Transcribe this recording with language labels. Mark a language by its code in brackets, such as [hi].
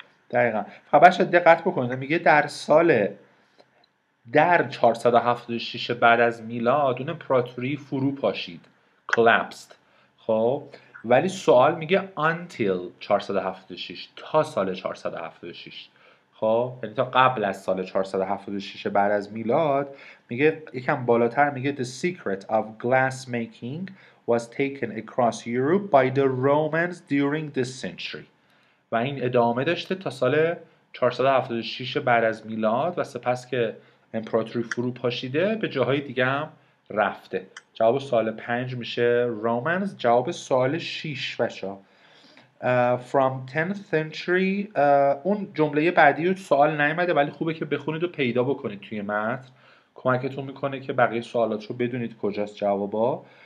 [fa] دقیقاً. خبرش دقت بکنید، میگه در سال در 476 بعد از میلاد اون امپراتوری فرو پاشید، collapsed. خب ولی سوال میگه [en] until 476، [fa] تا سال 476. خب یعنی تا قبل از سال 476 بعد از میلاد. میگه یکم بالاتر میگه [en] the secret of glass making was taken across Europe by the Romans during this century. [fa] و این ادامه داشته تا سال 476 بعد از میلاد و سپس که امپراتوری فرو پاشیده به جاهای دیگه هم رفته. جواب سوال 5 میشه رومنز. جواب سوال 6 بچه ها [en] from 10th century، [fa] اون جمله بعدی رو سوال نیومده ولی خوبه که بخونید و پیدا بکنید توی متن، کمکتون میکنه که بقیه سوالات رو بدونید کجاست جوابا.